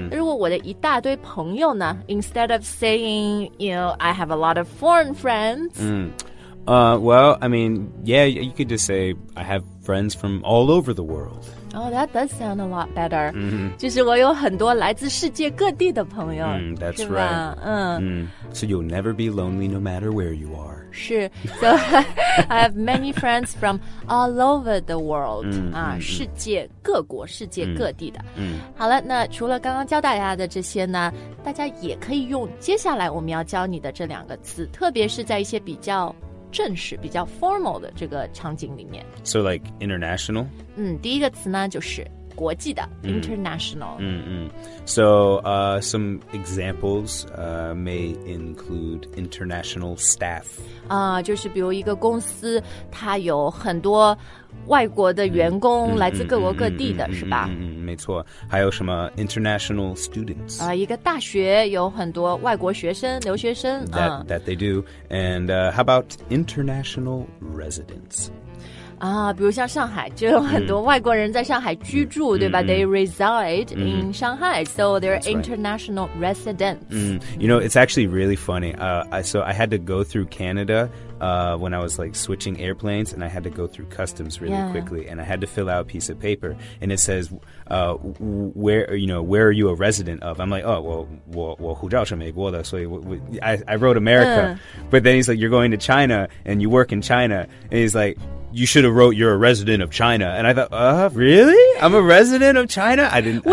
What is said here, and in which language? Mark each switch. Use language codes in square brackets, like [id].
[zh] 如果我的一大堆朋友呢， [en] instead of saying, you know, I have a lot of foreign friends. Well, I mean, yeah, you could just say I have friends from all over the world. Oh, that does sound a lot better. [zh] 就是我有很多来自世界各地的朋友。 [en] That's right. So you'll never be lonely no matter where you are. 是 So I have many friends from all over the world. [zh] 世界各国世界各地的。好了那除了刚刚教大家的这些呢大家也可以用接下来我们要教你的这两个词特别是在一些比较正式比较 formal 的这个场景里面 [en] So like international? [zh] 第一个词呢就是国际的 international [en] So some examples may include international staff [zh] 就是比如一个公司它有很多外国的员工来自各国各地的是吧没错还有什么 [en] international students [zh] 一个大学有很多外国学生留学生 [en] that they do and how about international residents [zh] 比如像上海就有很多外国人在上海居住对吧 [en] they reside in Shanghai so they're international residents you know it's actually really funny I had to go through CanadaWhen I was like switching airplanes and I had to go through customs really quickly and I had to fill out a piece of paper and it says where are you a resident of I'm like oh well [zh] 我护照是美国的所以 [en] I wrote America but then he's like you're going to China and you work in China and he's like you should have wrote you're a resident of China and I thought really I'm a resident of China I didn't